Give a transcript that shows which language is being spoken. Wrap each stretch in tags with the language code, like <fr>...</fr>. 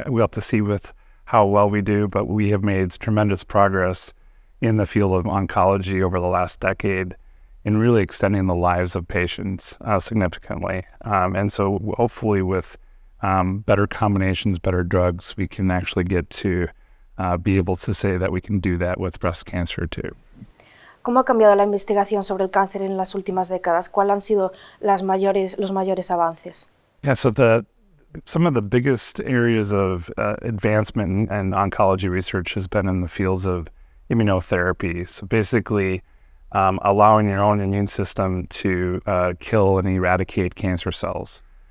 <en>We have to see with how well we do. But we have made tremendous progress in the field of oncology over the last decade in really extending the lives of patients significantly. And so hopefully with better combinations, better drugs, we can actually get to be able to say that we can do that with breast cancer too.</en> <es>¿Cómo ha cambiado la investigación sobre el cáncer en las últimas décadas? ¿Cuáles han sido los mayores avances?</es> <en>Yeah, so some of the biggest areas of advancement in oncology research has been in the fields of immunotherapy. So basically, allowing your own immune system to kill and eradicate cancer cells.</en>